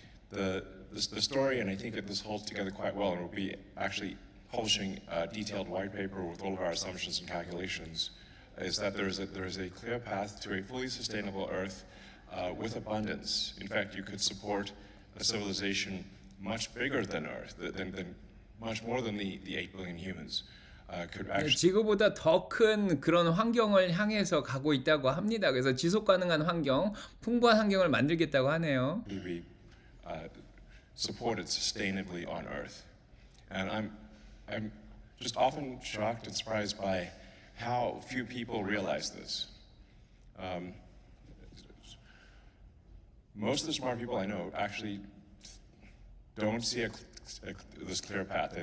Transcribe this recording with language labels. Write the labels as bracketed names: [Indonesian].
[English] The story, and I think that this holds together quite well, and we'll be actually publishing a detailed white paper with all of our assumptions and calculations, is that there is a clear path to a fully sustainable Earth with abundance. In fact, you could support a civilization much bigger than Earth, than much more than the 8 billion humans, could actually. [Korean] 지구보다 더 큰 그런 환경을 향해서 가고 있다고 합니다. 그래서 지속 가능한 환경, 풍부한 환경을 만들겠다고 하네요. [English] Be supported sustainably on Earth, and I'm just often shocked and surprised by how few people realize this. Most of the smart people I know actually don't see this clear path.